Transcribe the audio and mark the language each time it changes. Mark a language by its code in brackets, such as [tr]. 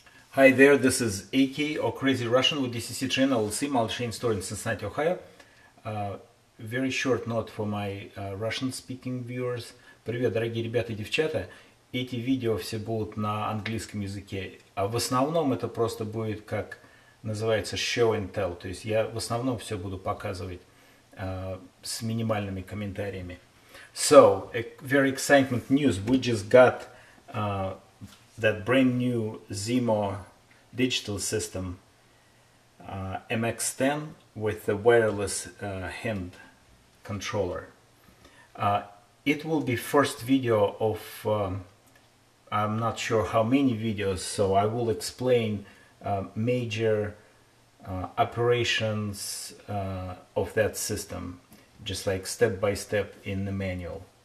[en] Hi there, this is AK or Crazy Russian with DCC Train LLC, Mal Chain Store in Cincinnati, Ohio. Very short note for my Russian speaking viewers. [ru] Привет, дорогие ребята и девчата. Эти видео все будут на английском языке. А в основном это просто будет, как называется, [en] show and tell. [ru] То есть я в основном все буду показывать с минимальными комментариями. [en] So, very exciting news. We just got that brand new Zimo digital system, MX10 with the wireless hand controller. It will be first video of, I'm not sure how many videos, so I will explain major operations of that system, just like step by step in the manual.